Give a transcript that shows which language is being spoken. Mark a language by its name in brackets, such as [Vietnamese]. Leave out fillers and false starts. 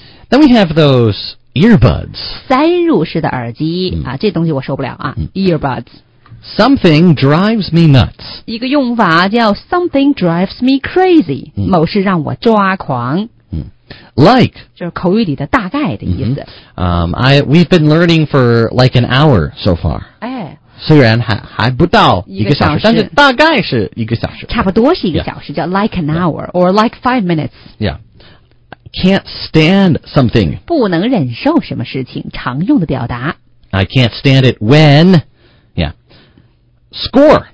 [English] Then we have those earbuds. [Chinese] 塞入式的耳机、嗯、啊，这东西我受不了啊、嗯、Earbuds. [English] Something drives me nuts. [Chinese] 一个用法叫 [English] something drives me crazy.、嗯、 [Chinese] 某事让我抓狂。嗯、like. 就是口语里的大概的意思。 [English] 嗯、we've been learning for like an hour so far. 哎。 [Chinese] 虽然还不到一个小时但是大概是一个小时。差不多是一个小时、 [English] yeah. [Chinese] 叫 [English] like an hour,、yeah. or like 5 minutes. Yeah. Can't stand something. [Chinese] 不能忍受什么事情常用的表达。 [English] I can't stand it when. Yeah. Score.